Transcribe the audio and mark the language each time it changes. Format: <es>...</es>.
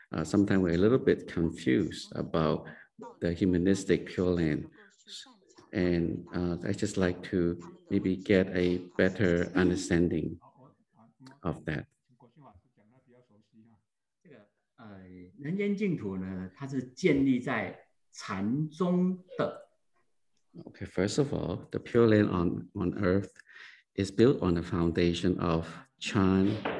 <en>Sometimes we're a little bit confused about the humanistic pure land, and I just like to maybe get a better understanding of that.</en> <zh>这个人间净土呢，它是建立在禅宗的。</zh> <en>Okay, first of all, the pure land on earth is built on the foundation of Chan.</en>